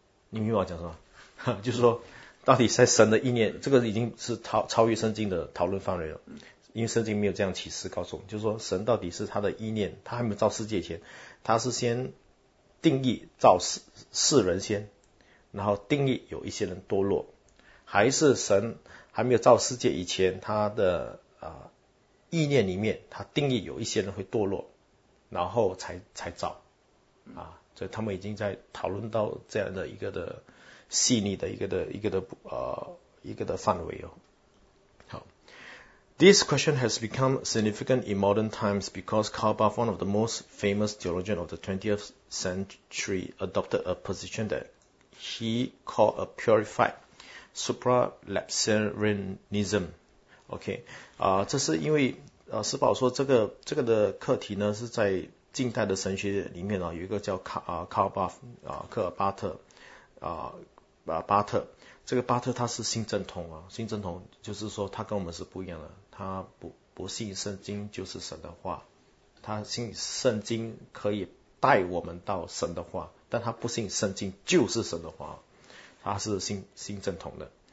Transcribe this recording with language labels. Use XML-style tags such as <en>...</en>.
<zh>你明白我讲什么？就是说到底在神的意念，这个已经是超越圣经的讨论范围了，因为圣经没有这样启示告诉我们，就是说神到底是他的意念，他还没有造世界前，他是先定义造世人先，然后定义有一些人堕落，还是神还没有造世界以前，他的意念里面他定义有一些人会堕落，然后才造所以他们已经在讨论到这样的一个的细腻的一个的范围哦。</zh> <en>好 ，This question has become significant in modern times because Karl Barth, one of the most famous theologians of the 20th century, adopted a position that he called a purified supralapsarianism.</en> <zh>Okay, 这是因为施宝说这个的课题呢是在近代的神学里面有一个叫Karl Barth, 科尔巴特巴特，这个巴特他是新正统新正统就是说他跟我们是不一样的，他不信圣经就是神的话，他信圣经可以带我们到神的话，但他不信圣经就是神的话，他是新正统的。</zh>